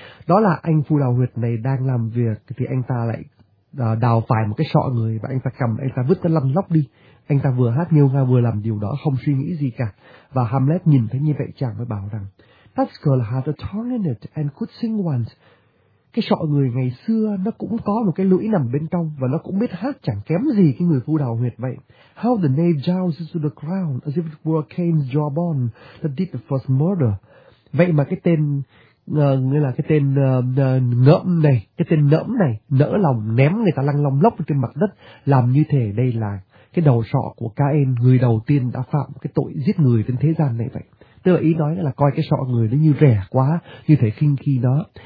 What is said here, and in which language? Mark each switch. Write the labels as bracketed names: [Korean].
[Vietnamese] Đó là anh phu đào huyệt này đang làm việc thì anh ta lại đào phải một cái sọ người, và anh ta cầm, anh ta vứt nó lăn lóc đi. Anh ta vừa hát nghêu ngao vừa làm điều đó không suy nghĩ gì cả. Và Hamlet nhìn thấy như vậy, chàng mới bảo rằng [English] "That girl had a tongue in it and could sing once." [Vietnamese] Cái sọ người ngày xưa nó cũng có một cái lưỡi nằm bên trong và nó cũng biết hát chẳng kém gì cái người phu đào huyệt vậy. [English] "How the knave jowls to the crown as if it were Cain's jawbone that did the first murder." [Vietnamese] Vậy mà cái tên nỡ lòng ném người ta lăn lóc lóc trên mặt đất, làm như thế đây là cái đầu sọ của Cain, người đầu tiên đã phạm cái tội giết người trên thế gian này vậy. Tức là ý nói là coi cái sọ người nó như rẻ quá, như thể khinh khi nó.